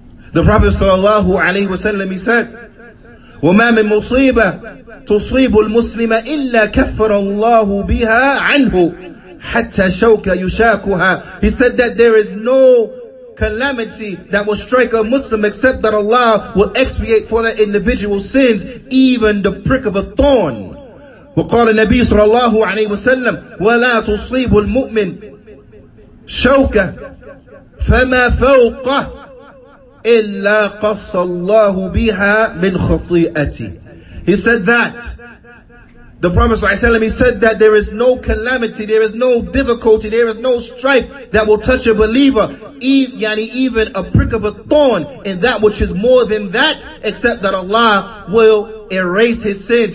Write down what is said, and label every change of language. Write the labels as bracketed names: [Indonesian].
[English] The Prophet sallallahu alaihi wasallam, he said, [Arabic] "وما من مصيبة تصيب المسلم إلا كفر الله بها عنه حتى شوكة يشاكها." [English] He said that there is no calamity that will strike a Muslim except that Allah will expiate for that individual's sins, even the prick of a thorn. [Arabic] وقال النبي صلى الله عليه وسلم ولا تصيب المؤمن شوكة فما فوقه إلا قص الله بها من خطيئتي. [English] He said that the Prophet ﷺ, he said that there is no calamity, there is no difficulty, there is no strife that will touch a believer, even a prick of a thorn in that which is more than that, except that Allah will erase his sins.